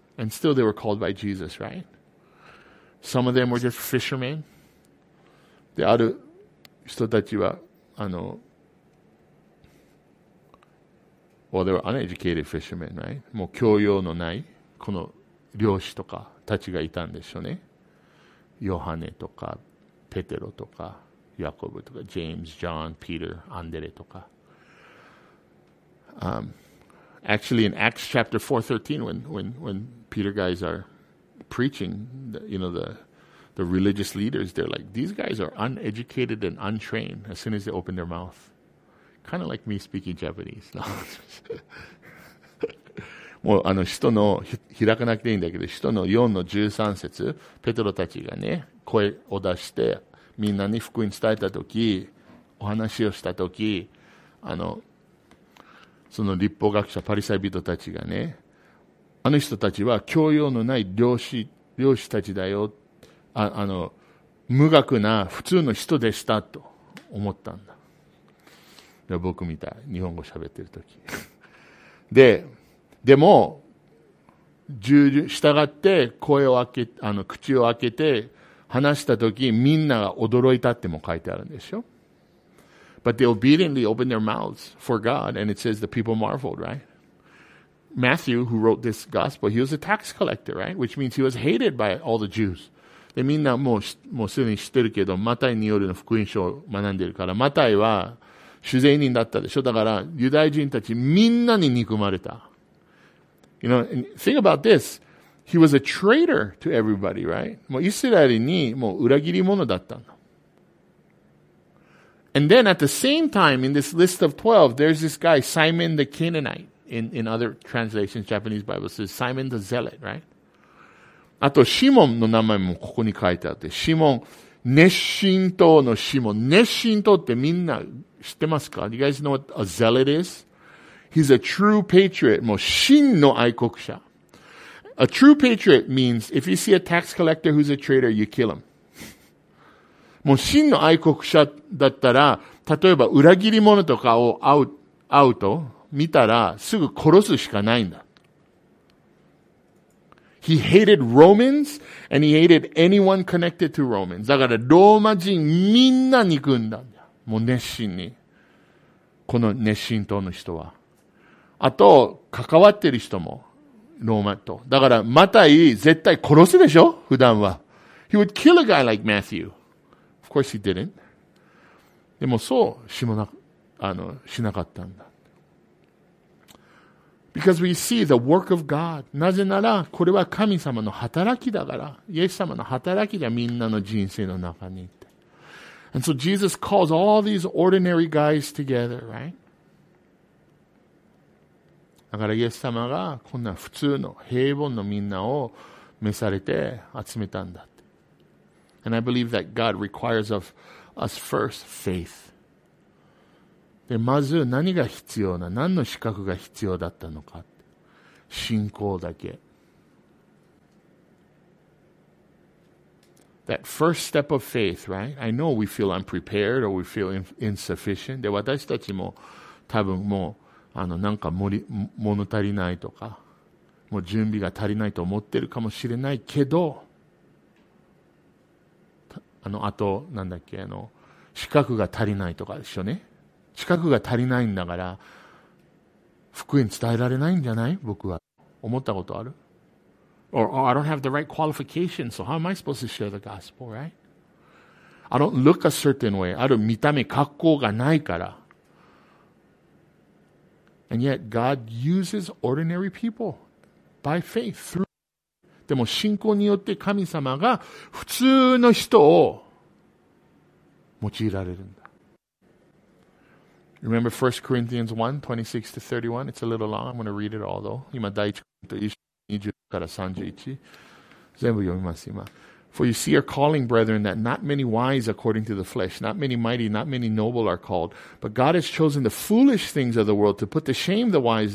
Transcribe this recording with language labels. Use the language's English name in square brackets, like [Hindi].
[English] And still they were called by Jesus, right? Some of them were just fishermen. [Japanese] で、ある人たちは、 [English] Well, they were uneducated fishermen, right? [Japanese] もう教養のないこの漁師とかたちがいたんでしょうね。ヨハネとかペテロとかヤコブとかジェームズ、ジョン、ピーター、アンデレとか。 [English] Actually, in Acts chapter 4:13, when Peter guys are preaching, the religious leaders, they're like, these guys are uneducated and untrained as soon as they open their mouth. Kind of like me speaking Japanese. No. [Japanese] もう使徒の開かなくていいんだけど、使徒の4の13節、ペトロたちがね、声を出して、みんなに福音伝えたとき、お話をしたとき、その立法学者、パリサイ人たちがね、人たちは教養のない漁師たちだよ、無学な普通の人でしたと思ったんだ。僕みたい。日本語喋ってるとき。でも、従って声を開け、口を開けて話したとき、みんなが驚いたっても書いてあるんでしょ [English] ?But they obediently opened their mouths for God, and it says the people marveled, right? Matthew, who wrote this gospel, he was a tax collector, right? Which means he was hated by all the Jews. [Japanese] で、みんなもうすでに知ってるけど、マタイによるの福音書を学んでるから、マタイは、主税人だったでしょ。だから、ユダヤ人たちみんなに憎まれた。 [English] You know, think about this. He was a traitor to everybody, right? [Japanese] もうイスラエルにもう裏切り者だったの。 [English] And then at the same time, in this list of 12, there's this guy, Simon the Canaanite. In other translations, Japanese Bible says Simon the Zealot, right? [Japanese] あと、シモンの名前もここに書いてあって、シモン、熱心党のシモン、熱心党ってみんな、知ってますか? [English] Do you guys know what a zealot is? He's a true patriot. [Japanese] もう真の愛国者。 [English] A true patriot means if you see a tax collector who's a traitor, you kill him. [Japanese] もう真の愛国者だったら、例えば裏切り者とかを会うと見たらすぐ殺すしかないんだ。 [English] He hated Romans and he hated anyone connected to Romans. [Japanese] だからローマ人みんな憎んだんだ。もう熱心に。この熱心党の人は。あと、関わってる人もローマと。だからマタイ絶対殺すでしょ普段は。 [English] He would kill a guy like Matthew. Of course he didn't. [Japanese] でもそうしなかったんだ。 [English] Because we see the work of God. [Japanese] なぜなら、これは神様の働きだから。イエス様の働きだ、みんなの人生の中にって。 [English] And so Jesus calls all these ordinary guys together, right? [Japanese] だからイエス様がこんな普通の平凡のみんなを召されて集めたんだって。 [English] And I believe that God requires of us first faith. [Japanese] で、まず何が必要な、何の資格が必要だったのか。信仰だけ。 [English] That first step of faith, right? I know we feel unprepared or we feel insufficient. [Japanese] で、私たちも多分もう、なんか物足りないとか、もう準備が足りないと思ってるかもしれないけど、あと、なんだっけ、資格が足りないとかでしょうね。資格が足りないんだから、福音伝えられないんじゃない? 僕は。思ったことある? [English] Or, I don't have the right qualification, so how am I supposed to share the gospel, right? I don't look a certain way. [Japanese] ある見た目、格好がないから。 [English] And yet, God uses ordinary people by faith. [Japanese] でも信仰によって神様が普通の人を用いられるんだ。 [English] Remember 1 Corinthians 1, 26 to 31? It's a little long. I'm going to read it all though. [Japanese] 今第1コリント20から31。全部読みます今。 [English] For you see our calling, brethren, that not many wise according to the flesh, not many mighty, not many noble are called. But God has chosen the foolish things of the world to put to shame the wise.